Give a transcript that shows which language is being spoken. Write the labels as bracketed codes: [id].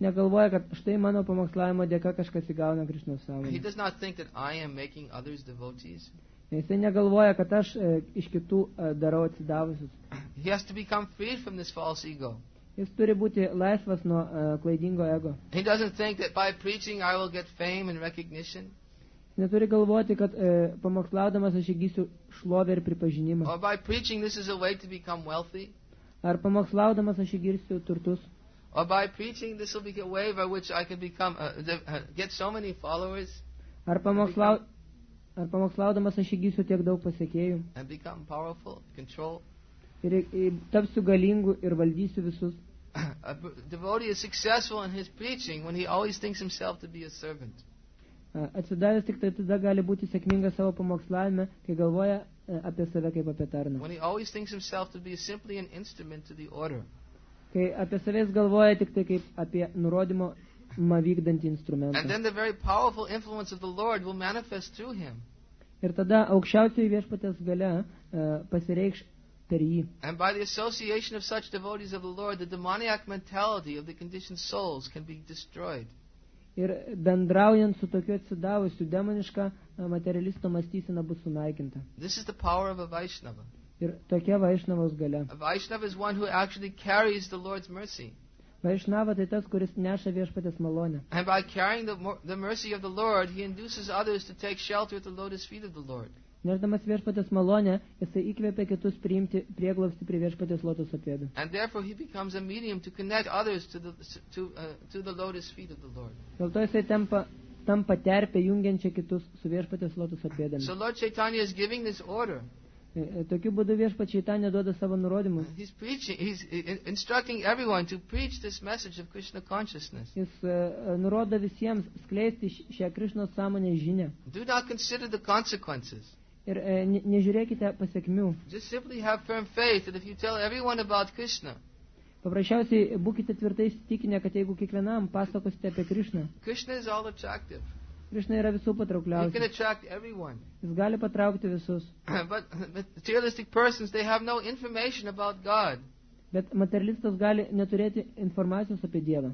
[lt] negalvoja, kad štai mano pamokslavimo dėka kažkas įgauna Krišnos sąmonę. Jis negalvoja, kad aš iš kitų darau atsidavusius. [en] He has to become free from this false ego. [lt] Jis turi būti laisvas nuo klaidingo ego. [en] He doesn't think that by preaching I will get fame and recognition. [lt] Neturi galvoti, kad pamokslaudamas aš įgysiu šlovę ir pripažinimą. [en] Or by preaching this is a way to become wealthy. [lt] Ar pamokslaudamas aš įgysiu turtus. [en] Or by preaching this will be a way by which I can become get so many followers. [lt] Ar pamokslaudamas aš įgysiu tiek daug pasekėjų. [en] And become powerful, control. [lt] Ir tapsiu galingu ir valdysiu visus. [en] A devotee is successful in his preaching when he always thinks himself to be a servant. [lt] Atsidavęs tik tada gali būti sėkmingas savo pamokslavime, kai galvoja apie save kaip apie tarną. [en] When he always thinks himself to be simply an instrument to the order. [lt] Kai apie save galvoja tik tai kaip apie nurodymo vykdantį instrumentą. [en] And then the very powerful influence of the Lord will manifest through him. [lt] Ir tada aukščiausioji viešpaties galia pasireikš. [en] And by the association of such devotees of the Lord, the demoniac mentality of the conditioned souls can be destroyed. [lt] Ir bendraujant su tokiu atsidavusiu demoniška materialisto mąstysena bus sunaikinta. [en] This is the power of a Vaishnava. [lt] Ir tokia Vaishnavos galia. [en] A Vaishnava is one who actually carries the Lord's mercy. [lt] Vaishnava tai tas, kuris neša viešpaties malonę. [en] And by carrying the mercy of the Lord, he induces others to take shelter at the lotus feet of the Lord. [lt] Nešdamas viešpaties malonę, jisai įkvėpia kitus priimti prieglobstį prie viešpaties lotoso pėdų. [en] And therefore he becomes a medium to connect others to the lotus feet of the Lord. [lt] Dėl to jisai tampa terpė jungiančia kitus su viešpaties lotoso pėdomis. [en] So Lord Chaitanya is giving this order. [lt] Tokiu būdu viešpats Chaitanya duoda savo nurodymus. [en] He's preaching, he's instructing everyone to preach this message of Krishna consciousness. [lt] Jis nurodo visiems skleisti šią Krišnos sąmonės žinią. [en] Do not consider the consequences. [lt] Ir nežiūrėkite pasekmių. [en] Just simply have firm faith that if you tell everyone about Krishna. [lt] Paprasčiausiai būkite tvirtai įsitikinę, kad jeigu kiekvienam pasakosite apie Krishna. [en] Krishna is all attractive. [lt] Krishna yra visų patraukliausias. [en] He can attract everyone. [lt] Jis gali patraukti visus. [en] But materialistic persons, they have no information about God. [lt] Bet materialistas gali neturėti informacijos apie Dievą.